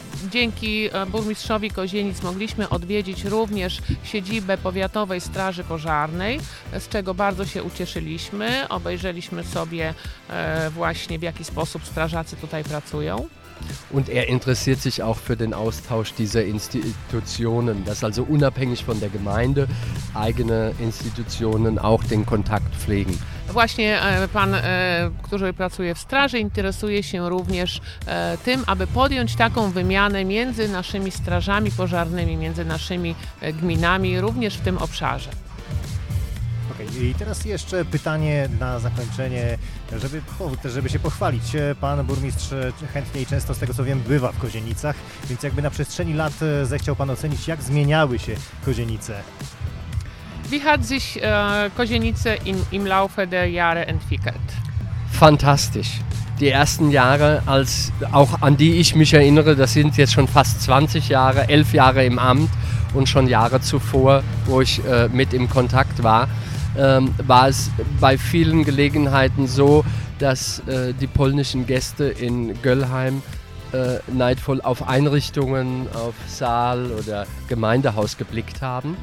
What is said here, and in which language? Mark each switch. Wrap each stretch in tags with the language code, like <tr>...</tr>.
<pl>Dzięki burmistrzowi Kozienic mogliśmy odwiedzić również siedzibę powiatowej straży pożarnej, z czego bardzo się ucieszyliśmy. Obejrzeliśmy sobie właśnie, w jaki sposób strażacy tutaj pracują.</pl> <de>Und er interessiert sich auch für den Austausch dieser Institutionen, dass also unabhängig von der Gemeinde eigene Institutionen auch den Kontakt pflegen.</de> <pl>Właśnie pan, który pracuje w straży, interesuje się również tym, aby podjąć taką wymianę między naszymi strażami pożarnymi, między naszymi gminami, również w tym obszarze. I teraz jeszcze pytanie na zakończenie, żeby się pochwalić. Pan burmistrz chętnie i często, z tego co wiem, bywa w Kozienicach, więc jakby na przestrzeni lat zechciał pan ocenić, jak zmieniały się Kozienice.</pl> <de>Wie hat sich Kozienice im Laufe der Jahre entwickelt? Fantastisch. Die ersten Jahre, als auch an die ich mich erinnere, das sind jetzt schon fast 20 Jahre, 11 Jahre im Amt und schon Jahre zuvor, wo ich mit im Kontakt war, war es bei vielen Gelegenheiten so, dass die polnischen Gäste in Göllheim neidvoll auf Einrichtungen, auf Saal oder Gemeindehaus geblickt haben.</de>